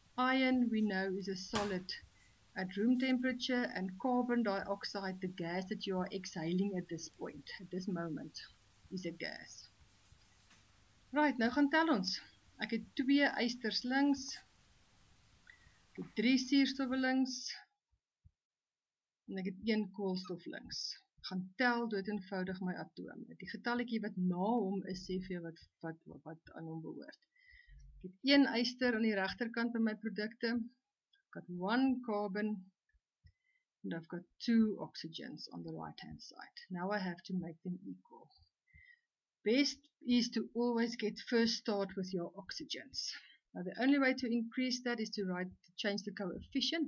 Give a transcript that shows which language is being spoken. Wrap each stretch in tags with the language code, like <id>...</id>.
<en>Iron, we know, is a solid at room temperature, and carbon dioxide, the gas that you are exhaling at this point, at this moment, is a gas.</en> <af>Right, nou gaan tel ons. Ek het 2 ysters links, 3 suurstof links en ek het 1 koolstof links. Gaan tel dood eenvoudig my atome. Die getalletjie wat na hom is sê vir jou wat aan hom behoort. Ek het 1 yster aan die regterkant van my produkte.</af> <en>I've got 1 carbon and I've got 2 oxygens on the right hand side. Now I have to make them equal. Best is to always get first start with your oxygens. Now the only way to increase that is to change the coefficient.</en>